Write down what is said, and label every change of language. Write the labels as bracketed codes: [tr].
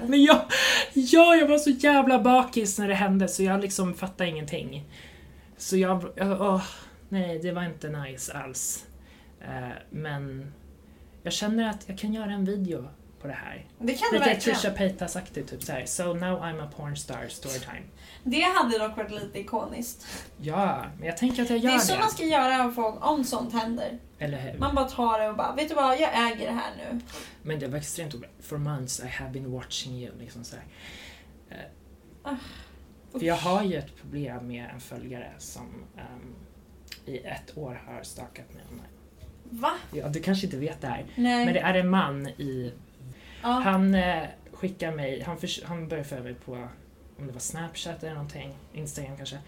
[sv] Men jag var så jävla bakis när det hände, så jag liksom fattade ingenting. Så nej, det var inte nice alls. Men jag känner att jag kan göra en video på det här. Det kan du verkligen. Trisha Paytas aktigt typ så här. [en] So now I'm a porn star, story time. [sv] Det hade dock varit lite ikoniskt. Ja, men jag tänker att jag gör det. Det är så man ska göra om sånt händer. Eller hur? Man bara tar det och bara, vet du vad, jag äger det här nu. Men det var extremt obehagligt. [en] For months I have been watching you, [sv] liksom så här. För jag har ju ett problem med en följare som i ett år har stalkat mig online. Va? Ja, du kanske inte vet det här. Nej. Men det är en man i... Ah. Han skickar mig, han börjar följa mig på, om det var Snapchat eller någonting, Instagram kanske.